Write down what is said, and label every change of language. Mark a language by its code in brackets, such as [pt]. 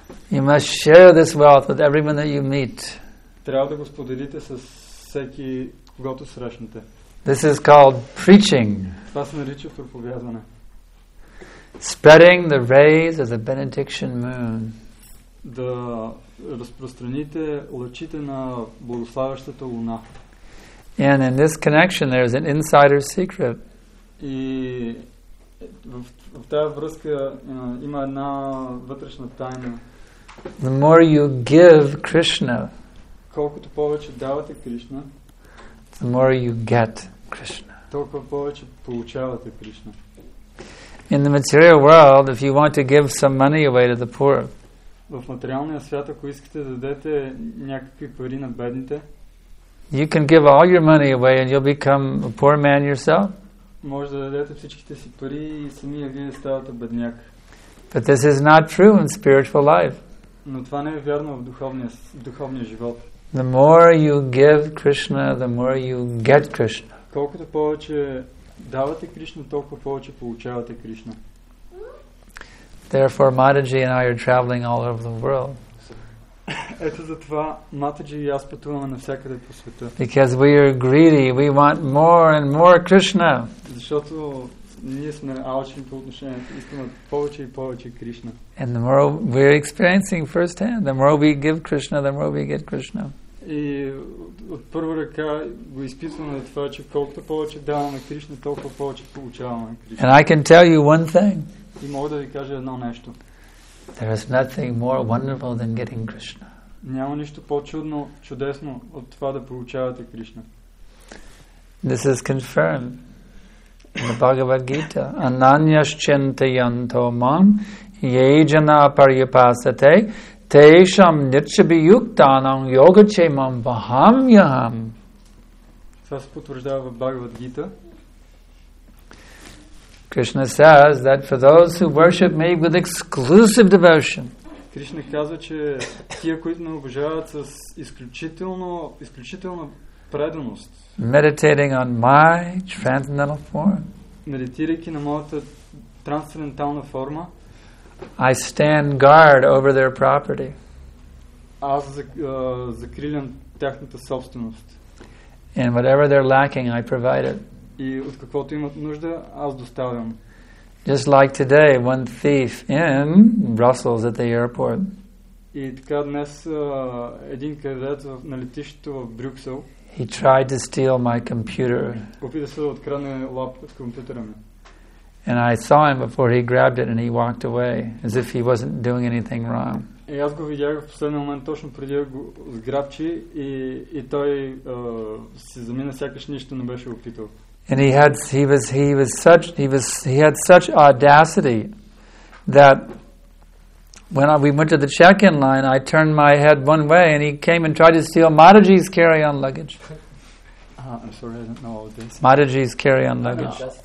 [en] You must share this wealth with everyone that you meet. [bg] Трябва да го споделите с всеки, когото срещнете. [en] This is called preaching. [bg] Това се нарича проповядване. [en] Spreading the rays of the benediction moon. [bg] Да разпространите лъчите на благославящата луна. [en] And in this connection there is an insider secret. [bg] И в тази връзка има една вътрешна тайна. [en] the more you give Krishna, [bg] колкото повече давате Кришна, [en] the more you get Krishna. [bg] Толкова повече получавате Кришна. [en] In the material world, if you want to give some money away to the poor, [bg] в материалния свят, ако искате да дадете някакви пари на бедните, [en] you can give all your money away and you'll become a poor man yourself. [bg] Може да дадете всичките си пари и самия вие ставате бедняк. [en] But this is not true in spiritual life. [bg] Но това не е вярно в духовния живот. [en] The more you give Krishna, the more you get Krishna. [bg] Колкото повече давате Кришна, толкова повече получавате Кришна. [en] Therefore, Mataji and I are traveling all over the world. [bg] Ето затова Матаджи и аз пътуваме навсякъде по света. [en] Because we are greedy, we want more and more Krishna. [bg] Защото ние сме алчни по отношението, искаме повече и повече Кришна. [en] And the more we are experiencing firsthand, the more we give Krishna, the more we get Krishna. [bg] И от първа ръка го изписваме това, че колкото повече даваме Кришна, толкова повече получаваме Кришна. [en] And I can tell you one thing. [bg] И мога да ви кажа едно нещо. [en] There is nothing more wonderful than getting Krishna. [bg] Няма нищо по-чудно, чудесно от това да получавате Кришна. [en] This is confirmed in the Bhagavad Gita. [sa] Ananyaschintayanto mam ye jana paryupasate tesham nirchabiyuktanam yogachemam vahamyaham. [bg] Това се потвърждава в Bhagavad Gita. [en] Krishna says that for those who worship me with exclusive devotion, [bg] Krishna казва, че тия, които ме обожават с изключителна преданост, [en] meditating on my transcendental form, [bg] медитирайки на моята трансцендентална форма, [en] I stand guard over their property. [bg] Аз закрилям тяхната собственост. [en] And whatever they're lacking, I provide it. [bg] И от каквото имат нужда, аз доставям. [en] Just like today, one thief in Brussels at the airport. [bg] И така днес един крадец на летището в Брюксел. [en] He tried to steal my computer. [bg] Опита се да открадне лаптоп от компютъра ми. [en] And I saw him before he grabbed it and he walked away as if he wasn't doing anything wrong. [bg] И аз го видях в последния момент точно преди да го сграбчи и той се замина сякаш нищо не беше опитал. [en] And he had such audacity that when we went to the check-in line, I turned my head one way and he came and tried to steal Mataji's carry-on luggage. I'm sorry, I don't know all this. Mataji's carry-on luggage.